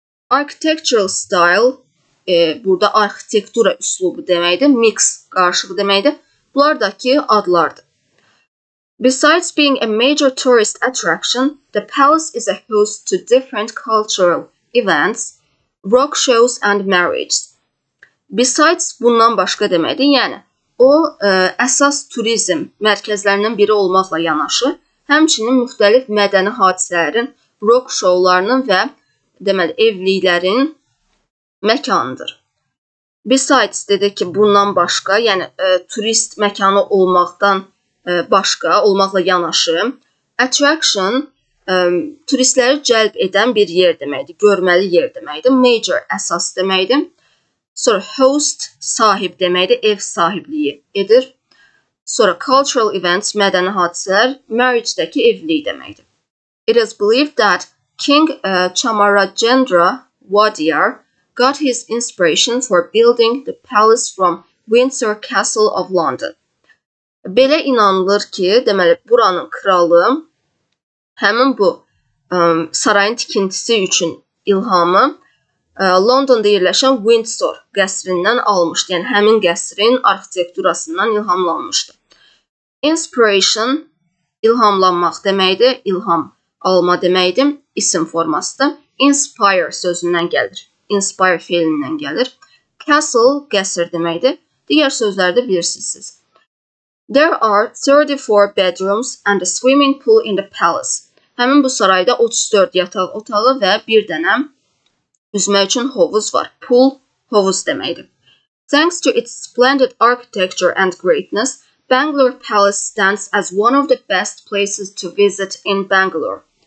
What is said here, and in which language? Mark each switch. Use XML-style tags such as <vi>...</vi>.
<az>Architectural style burada arxitektura üslubu deməkdir, mix qarışığı deməkdir. Bunlardakı adlardır.</az> <en>Besides being a major tourist attraction, the palace is a host to different cultural events, rock shows and marriages.</en> <az>Besides bundan başqa deməkdir, yəni o əsas turizm mərkəzlərindən biri olmaqla yanaşı, həmçinin müxtəlif mədəni hadisələrin, rock şovlarının və deməli evliliklərin məkanıdır. Besides dedi ki, bundan başqa, yəni turist məkanı olmaqdan başqa olmaqla yanaşı, attraction turistləri cəlb edən bir yer deməkdir, görməli yer deməkdir, major əsas deməkdir. Sonra host sahib deməkdir, ev sahibliyi edir. Sonra cultural events, mədəni hadisələr, marriage-dəki evlilik deməkdir.</az> <en>It is believed that King Chamarajendra Wadiyar got his inspiration for building the palace from Windsor Castle of London.</en> <az>Belə inanılır ki, deməli, buranın kralı həmin bu sarayın tikintisi üçün ilhamı Londonda yerləşən Windsor qəsrindən almışdı, yəni həmin qəsrin arxitekturasından ilhamlanmışdı. Inspiration, ilhamlanmaq deməkdir, ilham alma deməkdir, isim formasıdır. Inspire sözündən gəlir, inspire fiilindən gəlir. Castle, qəsr deməkdir, digər sözlərdə bilirsiniz.</az> <en>There are 34 bedrooms and a swimming pool in the palace.</en> <az>Həmin bu sarayda 34 yataq otağı və bir dənə üzmək üçün hovuz var. Pool, hovuz deməkdir.</az> <en>Thanks to its splendid architecture and greatness, Bangalore Palace stands as one of the best places to visit in Bangalore.</en>